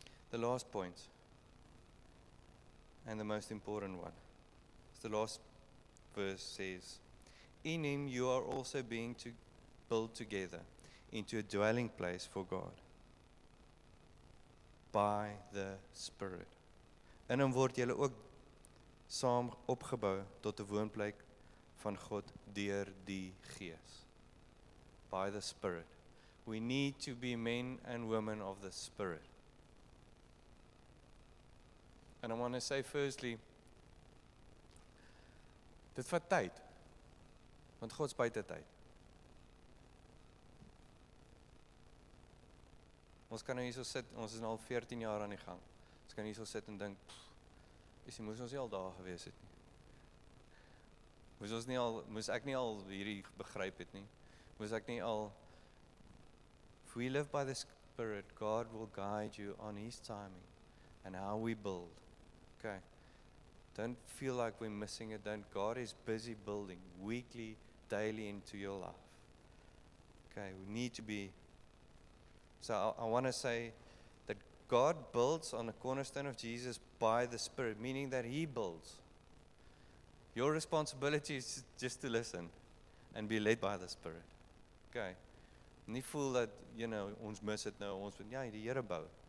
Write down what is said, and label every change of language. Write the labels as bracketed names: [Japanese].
[English] The last point, and the most important one, is the last verse says, in Him you are also being built together into a dwelling place for God by the Spirit. [Afrikaans] In Hom word julle ook saam opgebou tot 'n woonplek van God deur die Gees. [English] By the Spirit. We need to be men and women of the Spirit. And I want to say firstly, [Afrikaans] dit vat tyd. Want God's buite tyd. Ons kan nou hier so sit, ons is nou al 14 jaar aan die gang. Ons kan hier so sit en dink, moes ons nie al daar gewees het nie. Moes ek nie al hierdie begryp het nie. Moes ek nie al, [English] if we live by the Spirit, God will guide you on His timing and how we build. Okay. Don't feel like we're missing it. Don't. God is busy building weekly, daily into your life. Okay, we need to be. So I want to say that God builds on the cornerstone of Jesus by the Spirit, meaning that He builds. Your responsibility is just to listen and be led by the Spirit. Okay. [Afrikaans] Nie voel dat, you know, ons mis het nou, ons moet, ja, die Here bou.